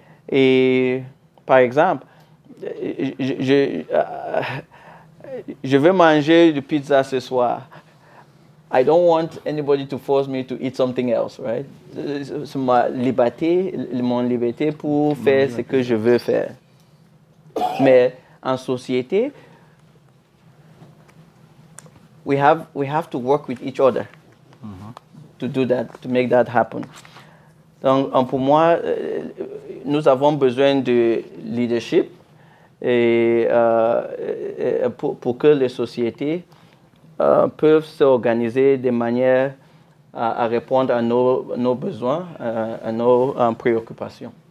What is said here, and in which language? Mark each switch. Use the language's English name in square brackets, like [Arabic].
[French] Et par exemple, je veux manger du pizza ce soir. [English] I don't want anybody to force me to eat something else, right? [French] C'est ma liberté, mon liberté pour faire ce que je veux faire. Mais en société, [English] we have to work with each other to do that, to make that happen. [French] Donc, pour moi, nous avons besoin de leadership. Et pour que les sociétés puissent s'organiser de manière à répondre à nos besoins, à nos préoccupations.